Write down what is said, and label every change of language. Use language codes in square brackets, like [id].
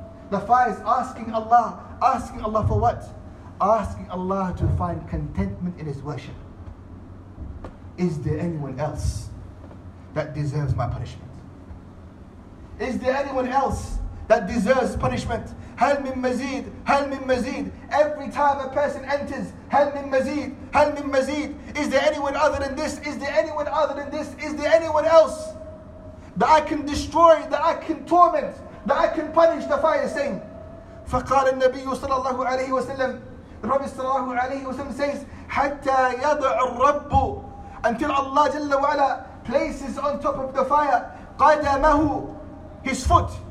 [en] The fire is asking Allah for what? Asking Allah to find contentment in His worship. Is there anyone else that deserves my punishment? Is there anyone else that deserves punishment? [ar] هل من مزيد هل من مزيد. [en] Every time a person enters, [ar] هل من مزيد هل من مزيد. [en] Is there anyone other than this? Is there anyone other than this? Is there anyone else that I can destroy, that I can torment, that I can punish? The fire saying, [ar] فقال النبي صلى الله عليه وسلم, [en] the Prophet صلى الله عليه وسلم says, [ar] حتى يضع الرب, [en] until Allah جل وعلا places on top of the fire [ar] قدمه, [en] his foot,